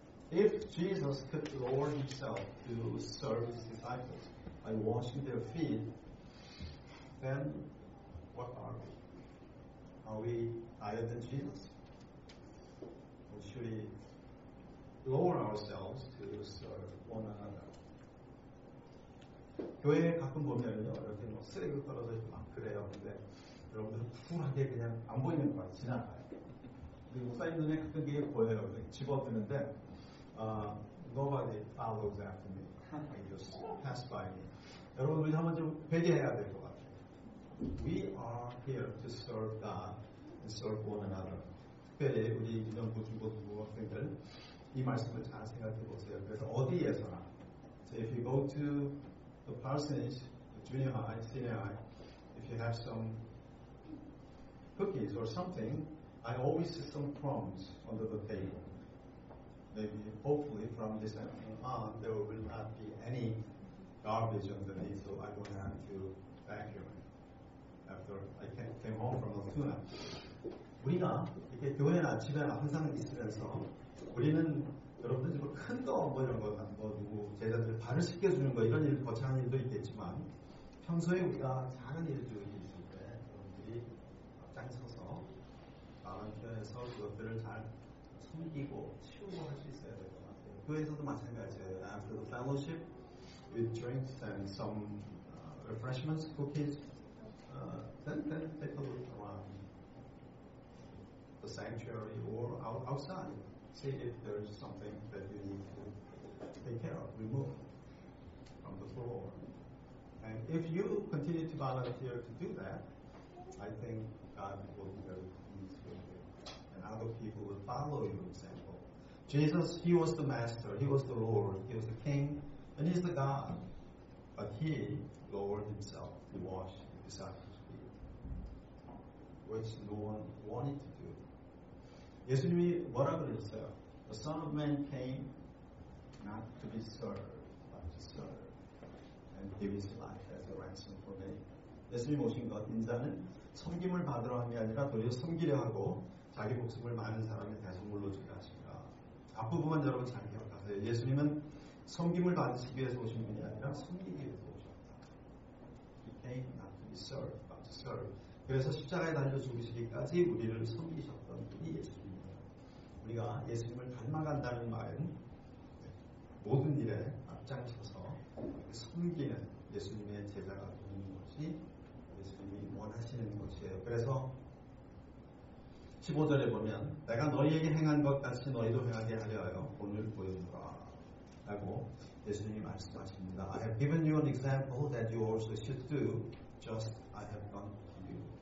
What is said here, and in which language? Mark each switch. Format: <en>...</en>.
<en>If Jesus could lower himself to serve his disciples by washing their feet, then what are we? Are we higher than Jesus? Or should we lower ourselves to serve one another?</en> <ko>교회에 가끔 보면요, 이렇게 뭐 쓰레기 떨어져 있고 막 그래요. 근데 여러분들은 쿨하게 그냥 안 보이는 것 같아, 지나가요. 근데 목사님 눈에 가끔 그게 보여요. 집어드는데,</ko> <en>nobody follows after me. I just pass by me.</en> <ko>여러분, 우리 한번 좀 회개해야 될 것 같아요.</ko> <en>We are here to serve God and serve one another.</en> <ko>특별히 우리 이명구 중고등부 학생들 이 말씀을 잘 생각해 보세요. 그래서 어디에서나.</ko> <en>So if you go to the parsonage, the junior high, senior high, if you have some cookies or something, I always see some crumbs under the table. Maybe, hopefully, from this afternoon on, there will not be any garbage underneath, so I won't have to vacuum it after I came home from the tuna.</en> <ko>우리가 이렇게 교회나 집에나 항상 있으면서 우리는 여러분들 뭐 큰 거 뭐 이런 거 뭐 누구 제자들 발을 씻겨주는 거 이런 일 거창한 일도 있겠지만 평소에 우리가 작은 일들이 있을 때 여러분들이 앞장 서서 마음 편에서 그것들을 잘 숨기고 치우고 할 수 있어야 될 것 같아요. 교회에서도 마찬가지예요.</ko> <en>After the fellowship, we drink and some refreshments, cookies, then take a look around the sanctuary or outside. See if there is something that you need to take care of, remove from the floor. And if you continue to volunteer to do that, I think God will be very pleased with you. Other people will follow your example. Jesus, he was the master, he was the Lord, he was the king, and he's the God. But he lowered himself to wash the disciples' feet, which no one wanted to do.</en> <ko>예수님이 뭐라 그랬어요?</ko> <en>The Son of Man came not to be served, but to serve and give his life as a ransom for many.</en> <ko>예수님 오신 것, 인자는 섬김을 받으러 한 게 아니라 도리어 섬기려 하고 자기 목숨을 많은 사람의 대속물로 주려 하십니다. 앞부분만 여러분 잘 기억하세요. 예수님은 섬김을 받으시기 위해서 오신 분이 아니라 섬기기 위해서 오셨다.</ko> <en>He came not to be served, but to serve.</en> <ko>그래서 십자가에 달려 죽으시기까지 우리를 섬기셨던 분이 예수님입니다. 우리가 예수님을 닮아간다는 말은 모든 일에 앞장서서 섬기는 예수님의 제자가 되는 것이 예수님이 원하시는 것이에요. 그래서 15절에 보면 내가 너희에게 행한 것 같이 너희도 행하게 하려요. 본을 보여주라 라고 예수님이 말씀하십니다.</ko> <en>I have given you an example that you also should do just I have done to you.</en>